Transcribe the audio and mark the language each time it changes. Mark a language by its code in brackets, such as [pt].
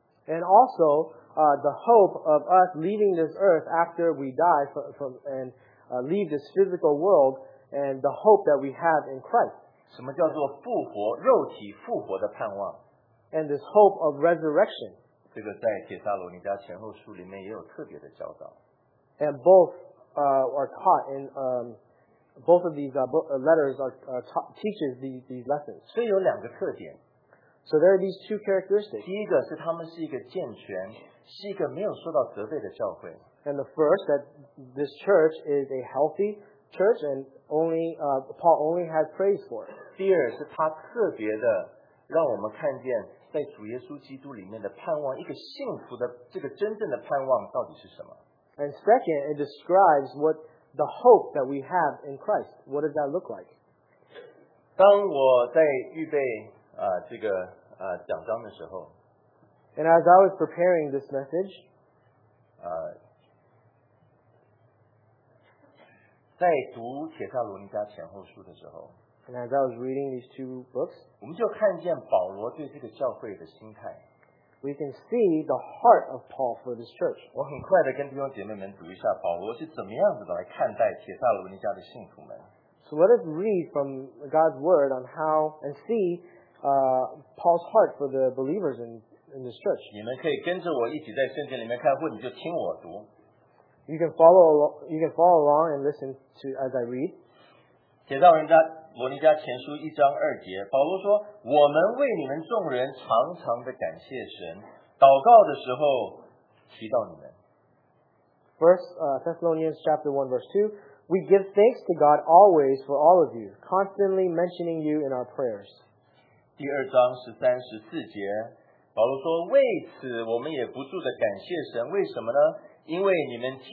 [en] And also, the hope of us leaving this earth after we die from leave this physical world, and the hope that we have in Christ. [zh] 什么叫做复活，肉体复活的盼望？ [en] And this hope of resurrection. [zh] 这个在帖撒罗尼迦前后书里面也有特别的教导。 [en] And both are taught in both of these letters teaches these lessons. [zh] 所以有两个特点。 [en] So there are these two characteristics. [zh] 第一个是他们是一个健全, 是一个没有受到责备的教会。 [en] And the first, that this church is a healthy church and only Paul only had praise for it. [zh] 第二是他特别的让我们看见在主耶稣基督里面的盼望,一个幸福的,这个真正的盼望到底是什么? [en] And second, it describes what the hope that we have in Christ. What does that look like? [zh] 当我在预备这个讲章的时候, [en] and as I was preparing this message, [zh] 在读《帖撒罗尼迦前后书》的时候, [en] and as I was reading these two books, [zh] 我们就看见保罗对这个教会的心态, [en] we can see the heart of Paul for this church. [zh] 我很快地跟弟兄姐妹们读一下保罗是怎么样子来看待帖撒罗尼迦的信徒们。 [en] So let us read from God's word on how and see Paul's heart for the believers in this church. [zh] 你们可以跟着我一起在圣经里面看，或者你就听我读。 [en] You can follow along and listen to as I read. [zh] 帖撒罗尼迦前书一章二节，保罗说：“我们为你们众人常常的感谢神，祷告的时候提到你们。” [en] First, Thessalonians chapter 1 verse 2. We give thanks to God always for all of you, constantly mentioning you in our prayers. [zh] 第二章十三十四节，保罗说：“为此我们也不住的感谢神，为什么呢？”